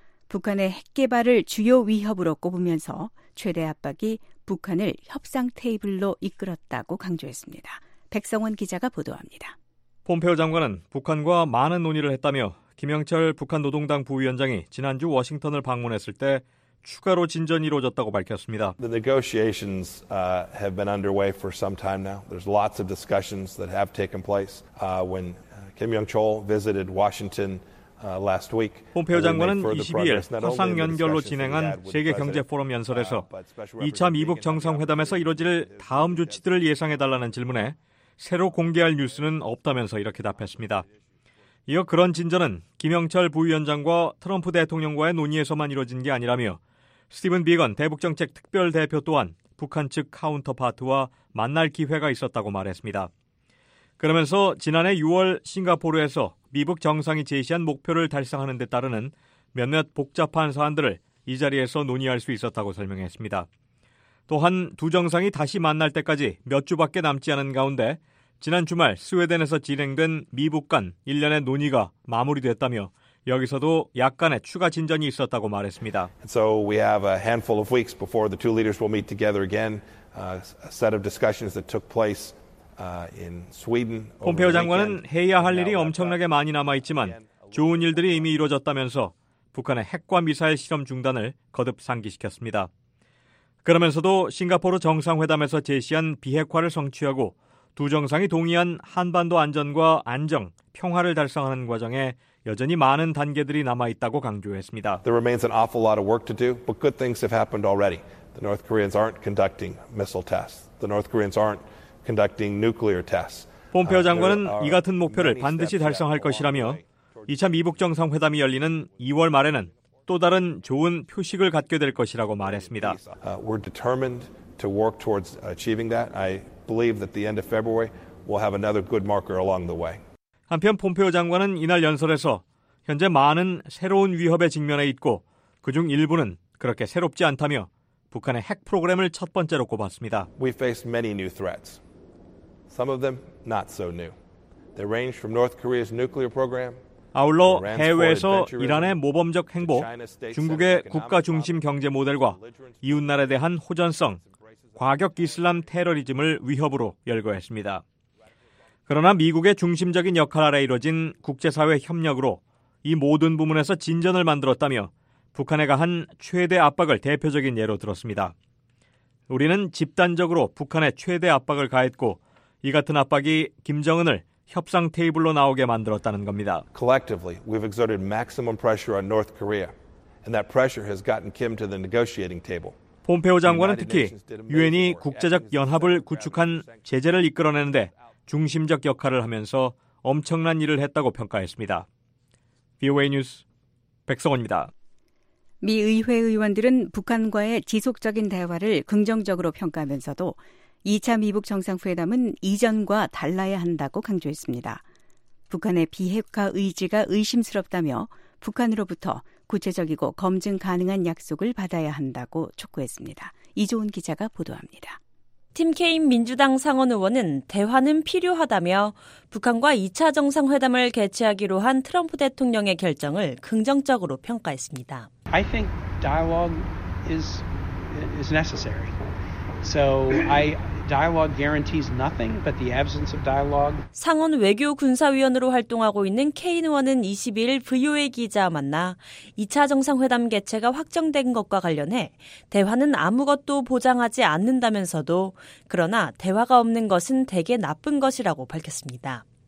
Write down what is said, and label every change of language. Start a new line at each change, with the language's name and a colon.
Korean: 북한의 핵 개발을 주요 위협으로 꼽으면서 최대 압박이 북한을 협상 테이블로 이끌었다고 강조했습니다. 백성원 기자가 보도합니다. 폼페오 장관은 북한과 많은 논의를 했다며 김영철 북한 노동당 부위원장이 지난주 워싱턴을 방문했을 때 추가로 진전이 이루어졌다고 밝혔습니다.
English: The negotiations have been underway for some time now. There's lots of discussions that have taken place. When Kim Jong-chol visited Washington last week,
Korean: 폼페오 장관은 22일 화상 연결로 진행한 세계 경제 포럼 연설에서 2차 미북 정상회담에서 이루어질 다음 조치들을 예상해 달라는 질문에 새로 공개할 뉴스는 없다면서 이렇게 답했습니다. 이어 그런 진전은 김영철 부위원장과 트럼프 대통령과의 논의에서만 이루어진 게 아니라며 스티븐 비건 대북정책특별대표 또한 북한 측 카운터파트와 만날 기회가 있었다고 말했습니다. 그러면서 지난해 6월 싱가포르에서 미북 정상이 제시한 목표를 달성하는 데 따르는 몇몇 복잡한 사안들을 이 자리에서 논의할 수 있었다고 설명했습니다. 또한 두 정상이 다시 만날 때까지 몇 주밖에 남지 않은 가운데 지난 주말 스웨덴에서 진행된 미북 간 일련의 논의가 마무리됐다며 여기서도 약간의 추가 진전이 있었다고 말했습니다.
English: So we have a handful of weeks before the two leaders will meet together again. A set of discussions that took place in Sweden.
Korean: 폼페오 장관은 해야 할 일이 엄청나게 많이 남아 있지만 좋은 일들이 이미 이루어졌다면서 북한의 핵과 미사일 실험 중단을 거듭 상기시켰습니다. 그러면서도 싱가포르 정상회담에서 제시한 비핵화를 성취하고 두 정상이 동의한 한반도 안전과 안정, 평화를 달성하는 과정에 여전히 많은 단계들이 남아있다고 강조했습니다.
English: There remains an awful lot of work to do, but good things have happened already. The North Koreans aren't conducting missile tests. The North Koreans aren't conducting nuclear tests.
Korean: 폼페오 장관은 이 같은 목표를 반드시 달성할 것이라며 2차 미북 정상회담이 열리는 2월 말에는 또 다른 좋은 표식을 갖게 될 것이라고 말했습니다.
English: We're determined to work towards achieving that. I believe that the end of February will have another good marker along the way.
Korean: 한편 폼페오 장관은 이날 연설에서 현재 많은 새로운 위협에 직면해 있고 그중 일부는 그렇게 새롭지 않다며 북한의 핵 프로그램을 첫 번째로 꼽았습니다.
English: We face many new threats. Some of them not so new. They range from North Korea's nuclear program.
Korean: 아울러 해외에서 이란의 모범적 행보, 중국의 국가 중심 경제 모델과 이웃나라에 대한 호전성, 과격 이슬람 테러리즘을 위협으로 열거했습니다. 그러나 미국의 중심적인 역할 아래 이뤄진 국제사회 협력으로 이 모든 부문에서 진전을 만들었다며 북한에 가한 최대 압박을 대표적인 예로 들었습니다. 우리는 집단적으로 북한에 최대 압박을 가했고 이 같은 압박이 김정은을 협상 테이블로 나오게 만들었다는 겁니다.
English: Collectively, we've exerted maximum pressure on North Korea, and that pressure has gotten Kim to the negotiating table.
Korean: 폼페오 장관은 특히 유엔이 국제적 연합을 구축한 제재를 이끌어내는데 중심적 역할을 하면서 엄청난 일을 했다고 평가했습니다. VOA 뉴스 백성원입니다. 미 의회 의원들은 북한과의 지속적인 대화를 긍정적으로 평가하면서도 2차 미북 정상회담은 이전과 달라야 한다고 강조했습니다. 북한의 비핵화 의지가 의심스럽다며 북한으로부터 구체적이고 검증 가능한 약속을 받아야 한다고 촉구했습니다. 이조은 기자가 보도합니다. 팀 케인 민주당 상원 의원은 대화는 필요하다며 북한과 2차 정상회담을 개최하기로 한 트럼프 대통령의 결정을 긍정적으로 평가했습니다.
English: I think dialogue is necessary. So dialogue guarantees nothing but the absence of dialogue.
Korean: 상원 외교 군사위원으로 활동하고 있는 케인 의원은 22일 VOA 기자와 만나 2차 정상회담 개최가 확정된 것과 관련해 대화는 아무것도 보장하지 않는다면서도 그러나 대화가 없는 것은 대개 나쁜 것이라고 밝혔습니다.